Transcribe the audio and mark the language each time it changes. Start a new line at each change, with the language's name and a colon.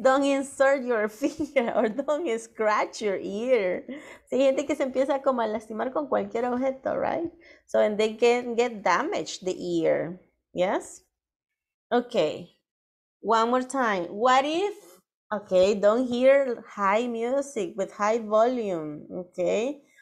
English: Don't insert your finger or don't scratch your ear.
Spanish: Sí, gente que se empieza como a lastimar con cualquier objeto,
English: right? So, and they can get damaged the ear. Yes? Okay. One more time. What if, okay, don't hear high music with high volume, okay?